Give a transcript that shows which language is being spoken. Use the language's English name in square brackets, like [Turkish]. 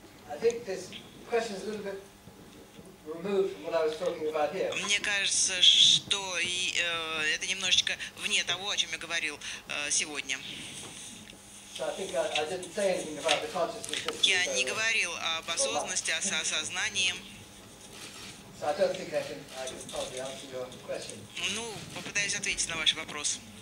[English] I think this question is a little bit removed from what I was talking about here. [Russian] Мне кажется, что это немножечко вне того, о чем я говорил сегодня. [English] So I didn't say anything about the consciousness. [Russian] Я не говорил об осознанности, о сознании. [English] So I don't think I can probably answer your question. [Russian] Ну, попытаюсь ответить на ваш вопрос.